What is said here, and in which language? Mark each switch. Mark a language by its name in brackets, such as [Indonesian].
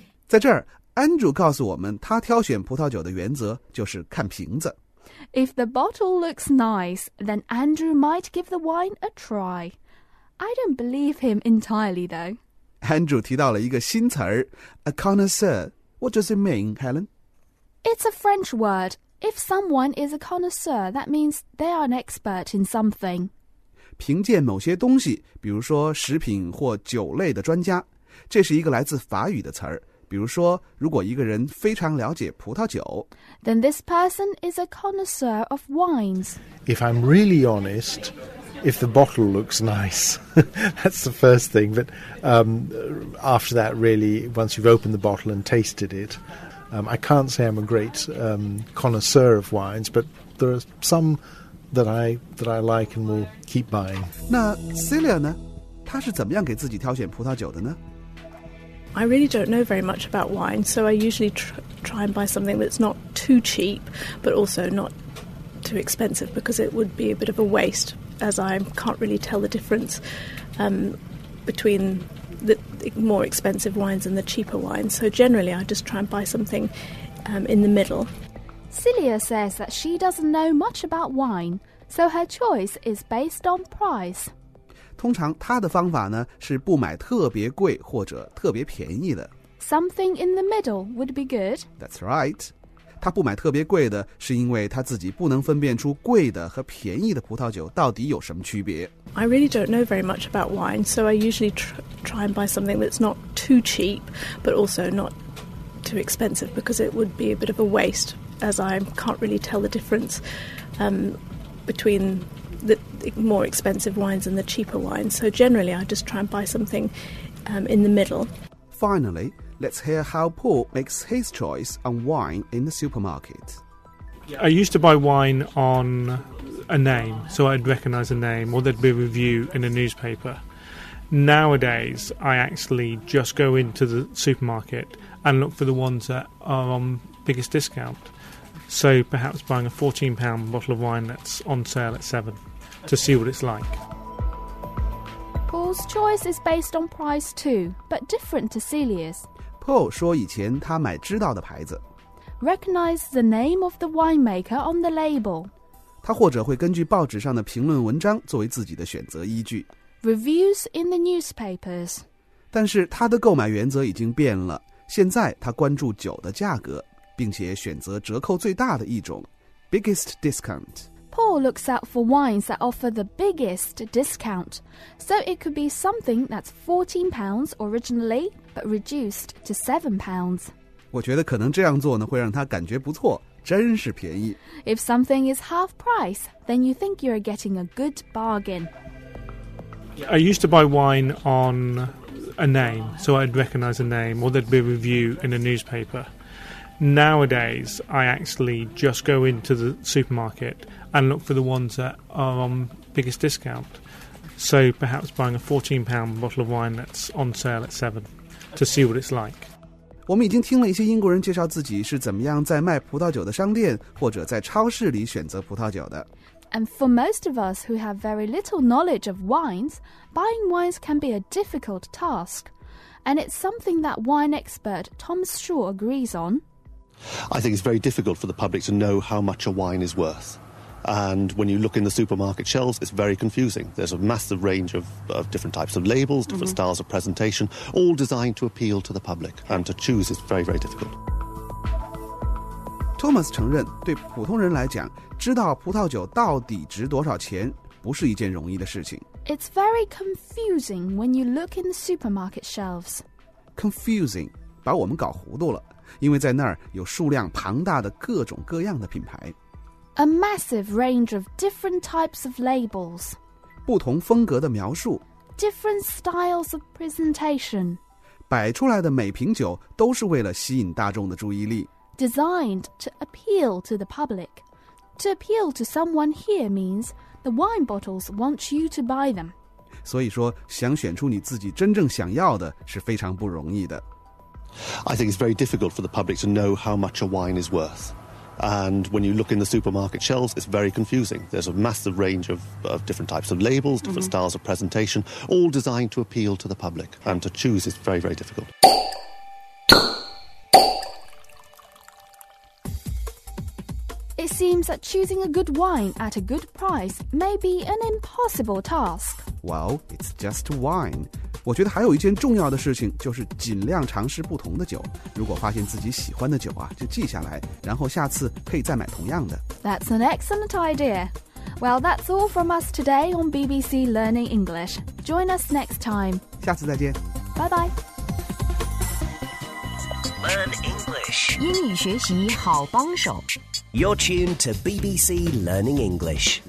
[Chinese] 在这儿Andrew 告诉我们他挑选葡萄酒的原则就是看瓶子。 [English] If the bottle looks nice, then Andrew might give the wine a try. I don't believe him entirely, though. [Chinese] Andrew 提到了一个新词儿 a connoisseur. [English] What does it mean, Helen? It's a French word. If someone is a connoisseur, that means they are an expert in something. [Chinese] 凭借某些东西，比如说食品或酒类的专家，这是一个来自法语的词儿。比如说，如果一个人非常了解葡萄酒 [English] ，then this person is a connoisseur of wines. If I'm really honest, if the bottle looks nice, that's the first thing. But after that, really, once you've opened the bottle and tasted it, I can't say I'm a great connoisseur of wines, but there are some that I like and will keep buying. [Chinese] 那 Celia 呢？她是怎么样给自己挑选葡萄酒的呢？ [English] I really don't know very much about wine, so I usually try and buy something that's not too cheap, but also not too expensive, because it would be a bit of a waste, as I can't really tell the difference between the more expensive wines and the cheaper wines. So generally, I just try and buy something in the middle. Celia says that she doesn't know much about wine, so her choice is based on price. [Chinese] 通常他的方法呢是不买特别贵或者特别便宜的。 [English] Something in the middle would be good. That's right. [Chinese] 他不买特别贵的是因为他自己不能分辨出贵的和便宜的葡萄酒到底有什么区别。 [English] I really don't know very much about wine, so I usually try and buy something that's not too cheap, but also not too expensive, because it would be a bit of a waste, as I can't really tell the difference between... the more expensive wines and the cheaper wines. So generally, I just try and buy something in the middle. Finally, let's hear how Paul makes his choice on wine in the supermarket. I used to buy wine on a name, so I'd recognise a name, or there'd be a review in a newspaper. Nowadays, I actually just go into the supermarket and look for the ones that are on biggest discount. So perhaps buying a £14 bottle of wine that's on sale at £7. To see what it's like. Paul's choice is based on price too, but different to Celia's. [Chinese] Paul 说以前他买知道的牌子。 [English] Recognize the name of the winemaker on the label. [Chinese] 他或者会根据报纸上的评论文章作为自己的选择依据。 [English] Reviews in the newspapers. [Chinese] 但是他的购买原则已经变了，现在他关注酒的价格，并且选择折扣最大的一种 ， [English] biggest discount。 Paul looks out for wines that offer the biggest discount. So it could be something that's £14 originally, but reduced to £7. [Chinese] 我觉得可能这样做呢会让他感觉不错，真是便宜。 [English] If something is half price, then you think you're getting a good bargain. I used to buy wine on a name, so I'd recognize a name, or there'd be a review in a newspaper. Nowadays, I actually just go into the supermarket and look for the ones that are on biggest discount. So perhaps buying a £14 bottle of wine that's on sale at £7 to see what it's like. [Chinese] 我们已经听了一些英国人介绍自己是怎么样在卖葡萄酒的商店或者在超市里选择葡萄酒的。 [English] And for most of us who have very little knowledge of wines, buying wines can be a difficult task. And it's something that wine expert Tom Shaw agrees on. I think it's very difficult for the public to know how much a wine is worth. And when you look in the supermarket shelves, it's very confusing. There's a massive range of different types of labels, different styles of presentation, all designed to appeal to the public. And to choose is very, very difficult. [Chinese] Thomas 承认，对普通人来讲，知道葡萄酒到底值多少钱，不是一件容易的事情。 [English] It's very confusing when you look in the supermarket shelves. [Chinese] Confusing, 把我们搞糊涂了，因为在那儿有数量庞大的各种各样的品牌。 [English] A massive range of different types of labels. [Chinese] 不同风格的描述。 [English] Different styles of presentation. [Chinese] 摆出来的每瓶酒都是为了吸引大众的注意力。 [English] Designed to appeal to the public. To appeal to someone here means the wine bottles want you to buy them. [Chinese] 所以说，想选出你自己真正想要的是非常不容易的。 [English] I think it's very difficult for the public to know how much a wine is worth. And when you look in the supermarket shelves, it's very confusing. There's a massive range of different types of labels, different styles of presentation, all designed to appeal to the public. And to choose is very, very difficult. It seems that choosing a good wine at a good price may be an impossible task. Well, it's just wine. [Chinese] 我觉得还有一件重要的事情就是尽量尝试不同的酒。如果发现自己喜欢的酒啊，就记下来，然后下次可以再买同样的。 [English] That's an excellent idea. Well, that's all from us today on BBC Learning English. Join us next time. [Chinese] 下次再见。 [English] Bye bye. Learn English. [Chinese] 英语学习好帮手。 [English] You're tuned to BBC Learning English.